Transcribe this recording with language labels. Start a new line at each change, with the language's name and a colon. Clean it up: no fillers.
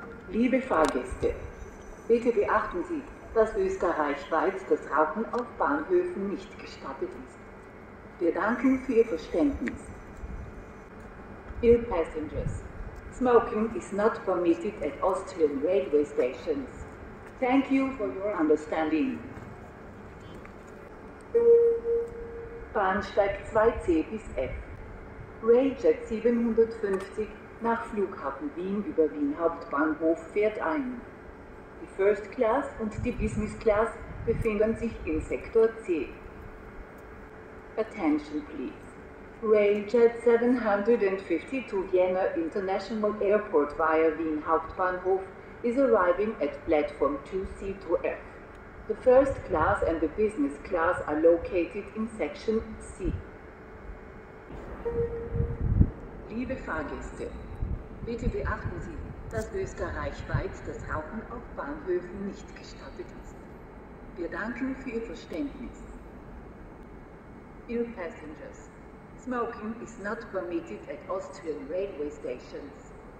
German: Liebe Fahrgäste, bitte beachten Sie, dass österreichweit das Rauchen auf Bahnhöfen nicht gestattet ist. Wir danken für Ihr Verständnis.
English: Dear passengers, smoking is not permitted at Austrian railway stations. Thank you for your understanding.
German: Bahnsteig 2C bis F. Railjet 750 nach Flughafen Wien über Wien Hauptbahnhof fährt ein. Die First Class und die Business Class befinden sich im Sektor C.
English: Attention please. Railjet 750 to Vienna International Airport via Wien Hauptbahnhof is arriving at Platform 2C to F. The First Class and the Business Class are located in Section C.
German: Liebe Fahrgäste, bitte beachten Sie, dass österreichweit das Rauchen auf Bahnhöfen nicht gestattet ist. Wir danken für Ihr Verständnis.
English: Dear passengers, smoking is not permitted at Austrian railway stations.